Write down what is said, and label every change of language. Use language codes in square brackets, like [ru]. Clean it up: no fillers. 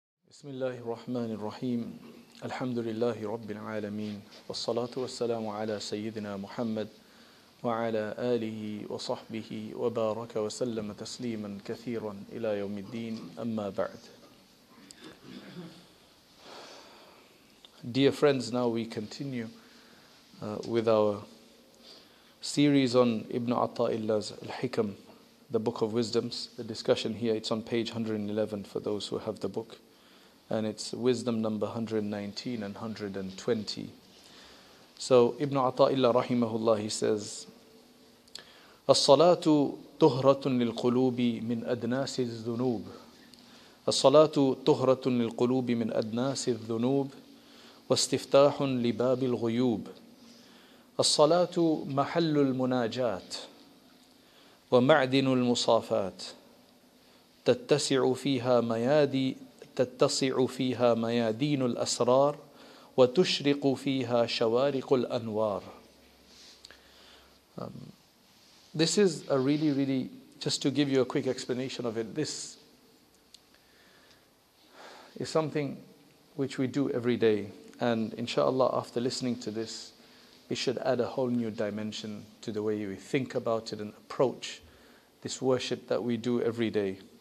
[ar] بسم الله الرحمن الرحيم الحمد لله رب العالمين والصلاة والسلام على سيدنا محمد وعلى آله وصحبه وبارك وسلم تسليما كثيرا إلى يوم الدين أما بعد. [en] Dear friends, now we continue with our series on Ibn Ata'illah's Al-Hikam, the Book of Wisdoms. The discussion here, it's on page 111 for those who have the book. And it's wisdom number 119 and 120. So Ibn Ata'illah rahimahullah, he says, [ar] As-salatu tuhratun lil-qulubi min adnasi al-dhunub. As-salatu tuhratun lil-qulubi min adnasi al-dhunub. Wa-istiftahun li-babi al-ghuyub. As-salatu mahallu al-munajat. Wa-ma'dinu al-musafat. Tattasi'u fiha mayadi. تتسع فيها ميادين الأسرار وتشرق فيها شوارق الأنوار. [en] This is a really, really, just to give you a quick explanation of it, this is something which we do every day, and inshallah after listening to this, it should add a whole new dimension to the way we think about it and approach this worship that we do every day.